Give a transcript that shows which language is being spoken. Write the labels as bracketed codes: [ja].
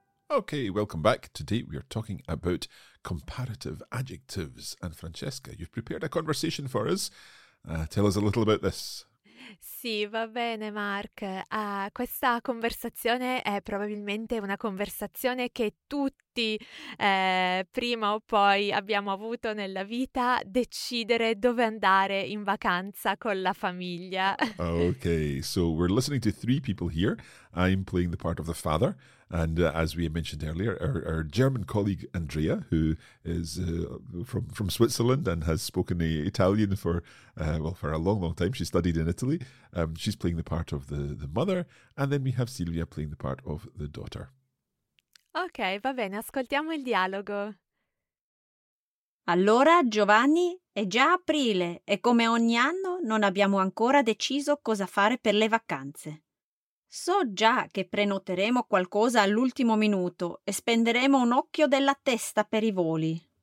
[en] Okay, welcome back. Today we are talking about comparative adjectives. And Francesca, you've prepared a conversation for us. Tell us a little about this. [it] Sì, va bene, Mark. Questa conversazione è probabilmente una conversazione che tutti prima o poi abbiamo avuto nella vita, decidere dove andare in vacanza con la famiglia. [en] Okay, so we're listening to three people here. I'm playing the part of the father. And as we mentioned earlier, our German colleague Andrea, who is from Switzerland and has spoken Italian for a long, long time. She studied in Italy. She's playing the part of the mother. And then we have Silvia playing the part of the daughter. [it] Ok, va bene. Ascoltiamo il dialogo. Allora, Giovanni, è già aprile e come ogni anno non abbiamo ancora deciso cosa fare per le vacanze. So già che prenoteremo qualcosa all'ultimo minuto e spenderemo un occhio della testa per i voli.